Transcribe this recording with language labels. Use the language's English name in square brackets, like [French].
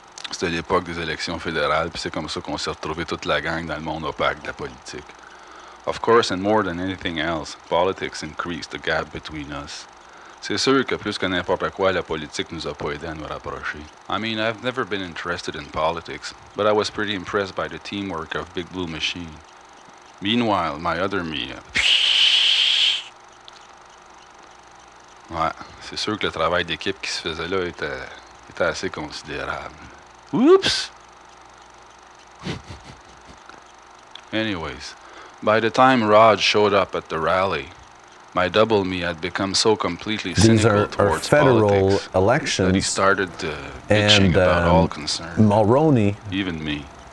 [French] C'était l'époque des élections fédérales, puis c'est comme ça qu'on s'est retrouvé toute la gang dans le monde opaque de la politique. [English] Of course, and more than anything else, politics increased the gap between us. [French] C'est sûr que plus que n'importe quoi, la politique nous a pas aidé à nous rapprocher. [English] I mean, I've never been interested in politics, but I was pretty impressed by the teamwork of Big Blue Machine. Meanwhile, my other me... [French] Ouais, c'est sûr que le travail d'équipe qui se faisait là était assez considérable. Oops! [English] Anyways, by the time Rod showed up at the rally, my double me had become so completely cynical towards politics. These are federal elections. That he started bitching about all concerns. Mulroney, even me,